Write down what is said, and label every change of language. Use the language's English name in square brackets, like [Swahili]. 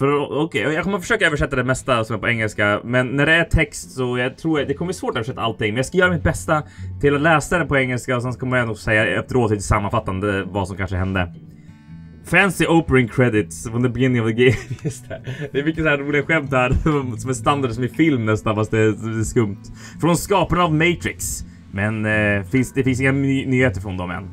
[Swedish] Okej, jag kommer försöka översätta det mesta som är på engelska. Men när det är text så jag tror att det kommer bli svårt att översätta allting. Men jag ska göra mitt bästa till att läsa det på engelska. Och sen kommer jag nog säga efteråt lite sammanfattande vad som kanske hände. [English] Fancy opening credits from the beginning of the game. [Swedish] Just det. Det är mycket så här roliga skämt här. Som är standard som i film nästan, fast det är skumt. Från skaparna av Matrix. Men det finns inga nyheter från dem än.